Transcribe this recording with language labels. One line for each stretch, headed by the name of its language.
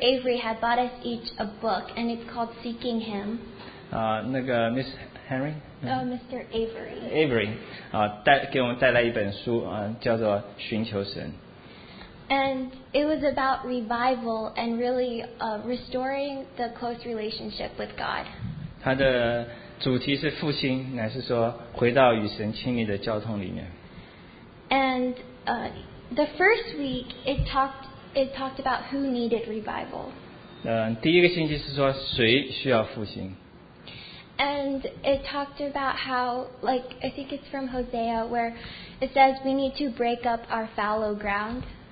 English: Avery had bought us each a book, and it's called Seeking Him.
Chinese: Mr. Avery带给我们带来一本书，叫做《寻求神》。
English: And it was about revival and really restoring the close relationship with God.
Chinese: 它的主题是复兴，乃是说回到与神亲密的交通里面。
English: And the first week it talked about who needed revival.
Chinese: 第一个星期是说谁需要复兴。
English: And it talked about how, like, I think it's from Hosea, where it says we need to break up our fallow ground.